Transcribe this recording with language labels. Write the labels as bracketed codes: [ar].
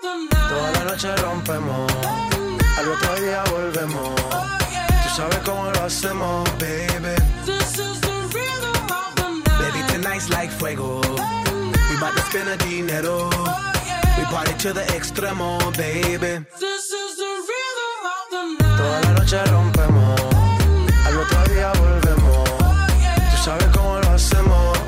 [es] Toda la noche rompemos, al otro día volvemos. Tú sabes cómo lo hacemos, baby. [en] This is the rhythm of the night. Baby, tonight's like fuego. We about to spend a dinero. We party to the extremo, baby. This is the rhythm of the night. [es] Toda la noche rompemos, al otro día volvemos. Tú sabes cómo lo hacemos.